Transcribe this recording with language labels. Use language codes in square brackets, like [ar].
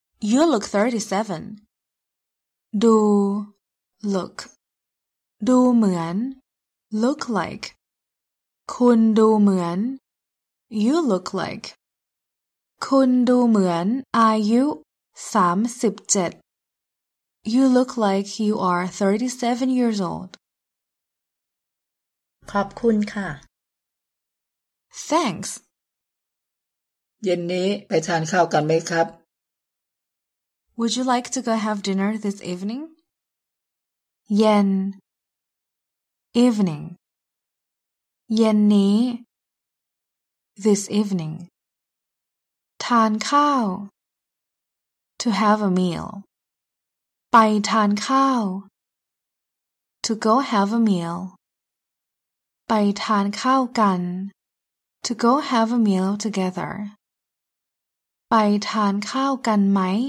[en] You look 37 ดู look ดูเหมือน look like คุณดูเหมือน You look like [th] คุณดูเหมือนอายุ37 [en] You look like you are 37 years old [th] ขอบคุณค่ะ [en] Thanks [th] เย็นนี้ไปทานข้าวกันไหมครับ [en] Would you like to go have dinner this evening? เย็น Evening เย็นนี้ This evening ทานข้าว To have a meal ไปทานข้าว To go have a mealไปทานข้าวกัน to go have a meal together [th] ไปทานข้าวกันไหม